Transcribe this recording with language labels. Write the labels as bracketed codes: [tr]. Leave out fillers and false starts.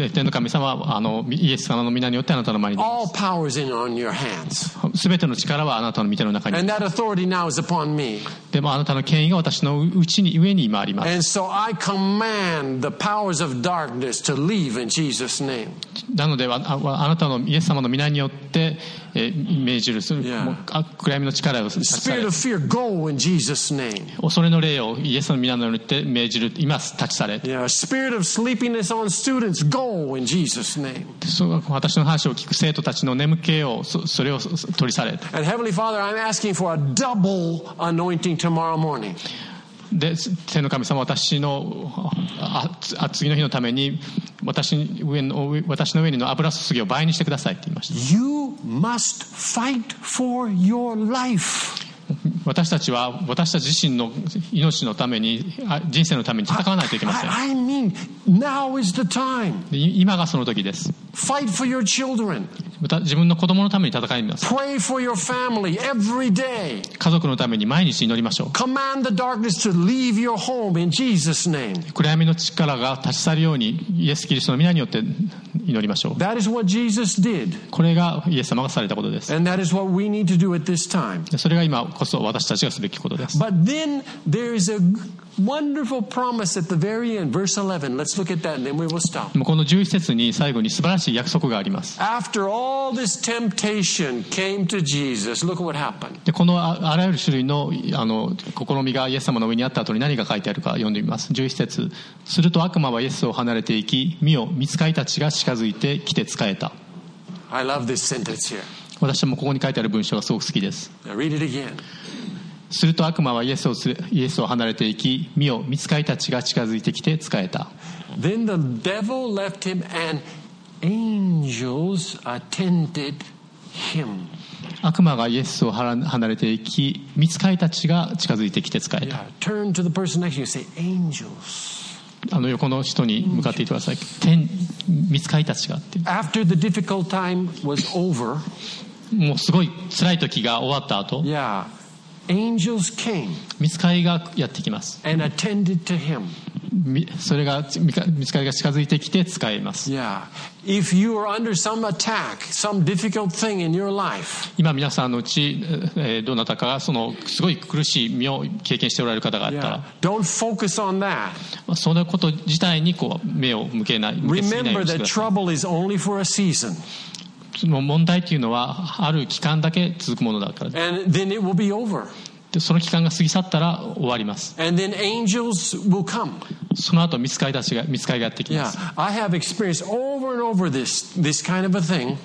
[ja] 天の神様、イエス様の皆によってあなたの前に。 [en] All power is in on your hands. [ja] すべての力はあなたの御手の中に。 [en] And that authority now is upon me. [ja] でもあなたの権威が私の上に今あります。 [en] And so I command the powers of darkness to leave in Jesus' name. [ja] なのではあなたのイエス様の皆によって命じる、yeah. 暗闇の力を [en] Spirit of fear, go in Jesus' name. [ja] 恐れの霊をイエスの皆によって命じる、今立ち去れ。 yeah. [en] Spirit of sleepiness on students, go in Jesus' name. [ja] そう、私の話を聞く生徒たちの眠気を、それを取り去れ。 [en] And Heavenly Father, I'm asking for a double anointing tomorrow morning. [ja] で、天の神様、私の次の日のために私の上にの油注ぎを倍にしてくださいって言いました。 [en] You must fight for your life. [ja] 私たち自身の命のために人生のために戦わないといけません。 [en] I mean, now is the time. [ja] 今がその時です。 [en] Fight for your children. [ja] 自分の子供のために戦います。 [en] Pray for your family every day. [ja] 家族のために毎日祈りましょう。 [en] Command the darkness to leave your home in Jesus' name. [ja] 暗闇の力が立ち去るようにイエス・キリストの皆によって祈りましょう。 [en] That is what Jesus did. [ja] これがイエス様がされたことです。 [en] And that is what we need to do at this time. [ja] それが今こそ私たちがすべきことです。 [en] But then there is a wonderful promise at the very end, verse 11. Let's look at that and then we will stop. [ja] この11節に最後に素晴らしい約束があります。 [en] After all this temptation came to Jesus, look what happened. [ja] このあらゆる種類の試みがイエス様の上にあった後に何が書いてあるか読んでみます。11節。すると悪魔はイエスを離れていき、見よ、御使いたちが近づいて来て仕えた。 [en] I love this sentence here. [ja] 私もここに書いてある文章がすごく好きです。 [en] Now read it again. [ja] すると悪魔はイエスを離れていき、見よ、御使いたちが近づいてきて仕えた。 [en] Then the devil left him and angels attended him. [ja] 悪魔がイエスを離れていき、御使いたちが近づいてきて仕えた。 [en] yeah, Turn to the person next to you and say, angels. [ja] 横の人に向かっていってください。天、御使いたちがって。 [en] After the difficult time was over, [ja] もうすごい辛い時が終わった後、 [en] yeahAngels came. [ja] 御使いがやってきます。 [en] And attended to him. [ja] それが御使いが近づいてきて使います。 Yeah. [en] If you are under some attack, some difficult thing in your life. [ja] 今皆さんのうち、どなたかがそのすごい苦しい身を経験しておられる方があったら、 [en] yeah. Don't focus on that. [ja] そのこと自体にこう目を向けない。 [en] Remember that trouble is only for a season. [ja] その問題というのはある期間だけ続くものだから。 [en] And then it will be over. [ja] でその期間が過ぎ去ったら終わります。 [en] And then angels will come. [ja] その後見つかいがやってきます。 [en] Yeah, I have experienced over and over this kind of a thing.